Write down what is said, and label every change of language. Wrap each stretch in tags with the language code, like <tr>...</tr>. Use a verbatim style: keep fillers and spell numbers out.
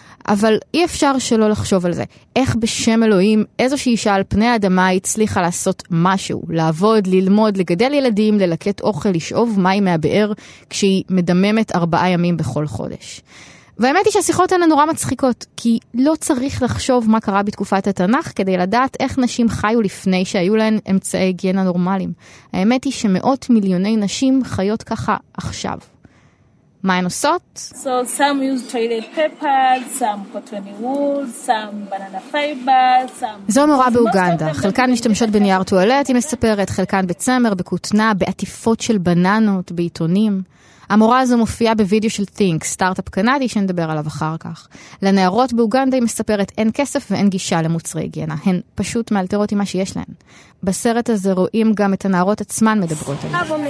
<he>אבל אי אפשר שלא לחשוב על זה. איך בשם אלוהים איזושהי אישה על פני האדמה הצליחה לעשות משהו, לעבוד, ללמוד, לגדל ילדים, ללקט אוכל, לשאוב מים מהבאר, כשהיא מדממת ארבעה ימים בכל חודש. והאמת היא שהשיחות האלה נורא מצחיקות, כי לא צריך לחשוב מה קרה בתקופת התנ"ך כדי לדעת איך נשים חיו לפני שהיו להן אמצעי היגיינה נורמליים. האמת היא שמאות מיליוני נשים חיות ככה עכשיו. מה הן עושות?</he> <en>So some use toilet paper, some cotton wool, some banana fiber, some...</en> <he>זו מורה באוגנדה. חלקן משתמשות בנייר טואלט, היא מספרת, חלקן בצמר, בקוטנה, בעטיפות של בננות, בעיתונים. המורה הזו מופיעה בווידאו של Think, סטארט-אפ קנדי שנדבר עליו אחר כך. לנערות באוגנדה היא מספרת אין כסף ואין גישה למוצרי היגיינה. הן פשוט מאלתרות עם מה שיש להן. בסרט הזה רואים גם את הנערות עצמן מדברות עליהן.</he>